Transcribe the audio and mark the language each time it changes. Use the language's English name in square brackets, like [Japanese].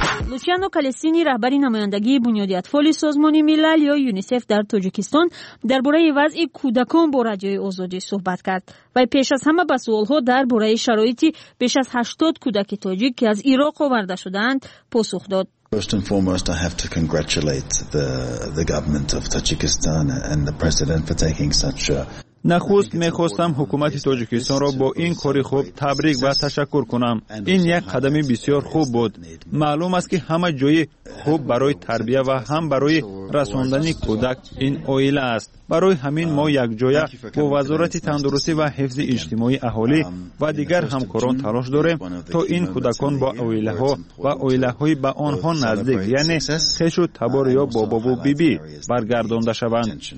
[Persian] لوچیانو کالستینی رهبری نمایندگی بنیاد اطفال سازمان ملل یا یونیسف در تاجیکستان درباره وضع کودکان با رادیوی آزادی صحبت کرد و پیش از همه به سوال‌ها درباره شرایط بیش از 80 کودک تاجیک که از عراق آورده شدند پاسخ داد. [English] First and foremost, I have to congratulate the government of Tajikistan and the president for taking such a [Persian] نخست می‌خواستم حکومت تاجیکستان را با این کاری خوب تبریک و تشکر کنم. این یک قدمی بسیار خوب بود. معلوم است که همه جای خوب برای تربیت و هم برای رساندن کودک این اویل است. برای همین ما یک جای با وزارت تندرستی و حفظ اجتماعی اهالی و دیگر همکاران تلاش داریم تا این کودکان با اویله‌ها و اویله‌های با آنها نزدیک یعنی خشو تبار یا بابا و بیبی برگردانده شوند.